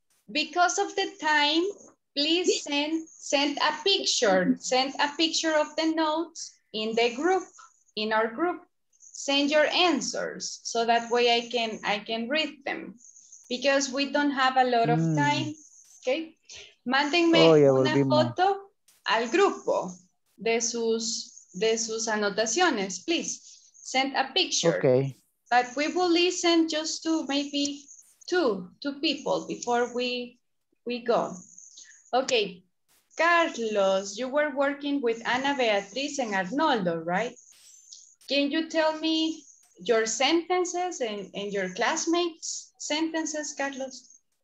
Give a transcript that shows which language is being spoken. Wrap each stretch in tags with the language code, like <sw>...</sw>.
<en>Because of the time, please send a picture of the notes in the group, in our group. Send your answers, so that way I can read them. Because we don't have a lot of time, okay?</en> <es>Mándenme una foto al grupo de sus anotaciones, please.</es> <en>Send a picture. Okay. But we will listen just to maybe two people before we go. Okay. Carlos, you were working with Ana Beatriz and Arnoldo, right? Can you tell me your sentences and your classmates' sentences, Carlos?</en>